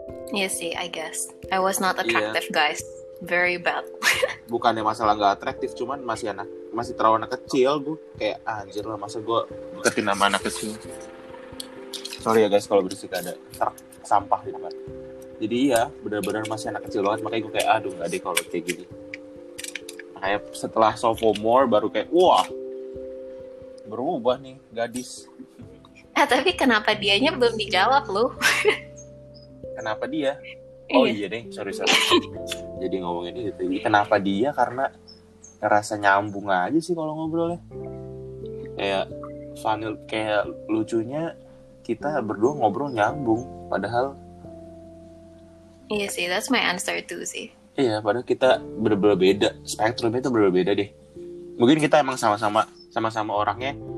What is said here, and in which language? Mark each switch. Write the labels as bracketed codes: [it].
[en] You see, I guess I was not attractive, yeah. Guys, very bad. [id] Bukannya masalah nggak atraktif, cuman masih terlalu anak kecil. Gue kayak anjir lah, masa gue deketin sama anak kecil. Sorry ya guys kalau berisik, ada sampah di depan. Jadi iya, benar-benar masih anak kecil banget. Makanya gue kayak aduh nggak deh kalau kayak gini. Makanya setelah sophomore baru kayak wah berubah nih gadis. Eh tapi kenapa dianya belum dijawab lu? Kenapa dia? Oh iya deh, sorry. Jadi ngomongin itu. Kenapa dia? Karena ngerasa nyambung aja sih kalau ngobrol ya. Kayak vanil, kayak lucunya kita berdua ngobrol nyambung, padahal. Iya sih, [en] that's my answer too sih. [id] Iya, padahal kita bener-bener beda, spektrumnya itu bener-bener beda deh. Mungkin kita emang sama-sama orangnya.